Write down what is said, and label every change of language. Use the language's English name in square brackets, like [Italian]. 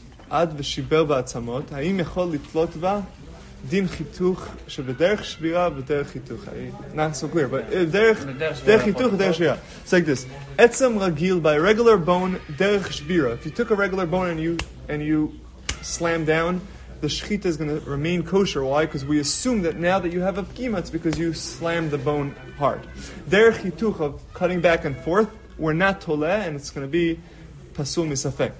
[Hebrew] עד ושיבר בעצמות, האם יכול לתלות בה דין חיתוך שבדרך שבירה ובדרך חיתוך? [English] Not so clear, but [Hebrew] דרך חיתוך ודרך שבירה. [English] It's like this. [Hebrew] עצם רגיל, [English] by regular bone, [Hebrew] דרך שבירה. [English] If you took a regular bone and you slam down, the shechita is going to remain kosher. Why? Because we assume that now that you have a pkima, it's because you slammed the bone hard. Derech hituch of cutting back and forth, we're not tole, and it's going to be pasul misafek.